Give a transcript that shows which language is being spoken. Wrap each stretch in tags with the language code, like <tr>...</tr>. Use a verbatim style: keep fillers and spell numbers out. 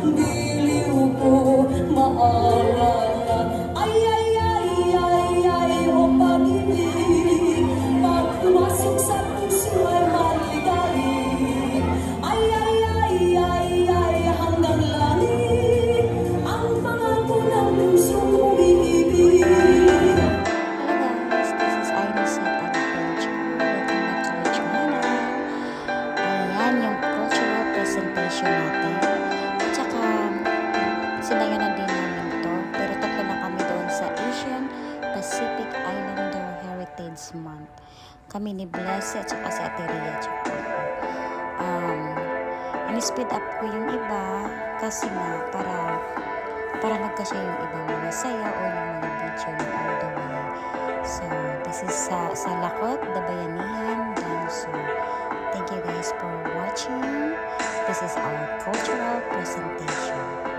<tl>Biliw ko maawa na. Ay, ay, ay, ay, ay, o pag-ibig, pag pumasok sa puso ay maligay. Ay, ay, ay, ay, ay, hanggang langit, ang pangako ng puso kong iibig.</tl> <en>Hello guys, this is Ivy Set on the page. Welcome back to my channel.</en> <tl>Ayan yung cultural presentation natin. At saka, sinayanan din namin to. Pero tatlo na kami doon sa Asian Pacific Islander Heritage Month. Kami ni Blessed at saka si Ate Rhea at saka ako. Um, in-speed up ko yung iba kasi nga para para magkasya yung ibang mga saya o yung mga picture na</tl> <en>all the way. So, this is</en> <tl>sa, sa Lakot, Dabayanihan, Danso.</tl> <en>Thank you guys for watching. This is our cultural presentation.</en>